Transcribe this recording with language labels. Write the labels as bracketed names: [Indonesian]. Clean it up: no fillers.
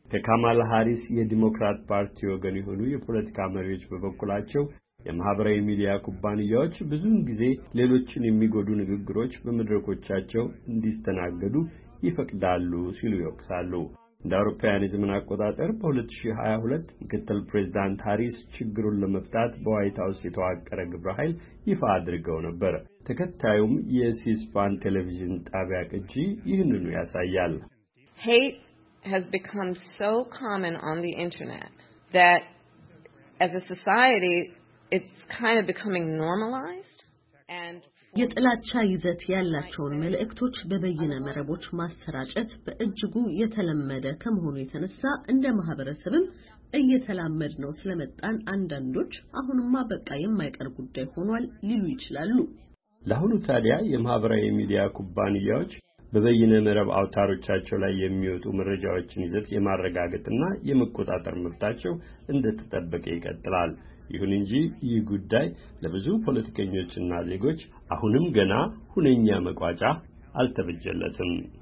[Amharic] ከካማላ ሃሪስ የዲሞክራት ፓርቲ ወገን የሆኑ የፖለቲካ መሪዎች በበኩላቸው የማህበራዊ ሚዲያ ኩባንያዎች ብዙውን ጊዜ ሌሎችን የሚጎዱ ንግግሮች በመድረኮቻቸው እንዲስተናገዱ ይፈቅዳሉ ሲሉ ይወቅሳሉ። እንደ አውሮፓውያን የዘመን አቆጣጠር በ2022 ምክትል ፕሬዝዳንት ሃሪስ ችግሩን ለመፍታት በዋይት ሃውስ የተዋቀረ ግብረ ኃይል ይፋ አድርገው ነበር። ተከታዩም የሲስፓን ቴሌቪዥን ጣቢያ ቅጂ ይህንኑ ያሳያል። [English] Hate has become so common on the internet that as a society it's kind of becoming normalized and [Amharic] የጥላቻ ይዘት ያላቸውን መልእክቶች በበይነ መረቦች ማሰራጨት በእጅጉ የተለመደ ከመሆኑ የተነሳ እንደ ማህበረሰብም እየተላመደ ነው ስለመጣን አንዳንዶች አሁንማ በቃ የማይቀር ጉዳይ ሆኗል ሊሉ ይችላሉ። ለሁሉ ታዲያ የማህበራዊ ሚዲያ ኩባንያዎች በበይነ መረብ አውታሮቻቸው ላይ የሚወጡ መረጃዎችን ይዘት የማረጋገጥና የመቆጣጠር መብታቸው እንደተጠበቀ ይቀጥላል። ይሁን እንጂ ይህ ጉዳይ ለብዙ ፖለቲከኞችና ዜጎች አሁንም ገና ሁነኛ መቋጫ አልተበጀለትም።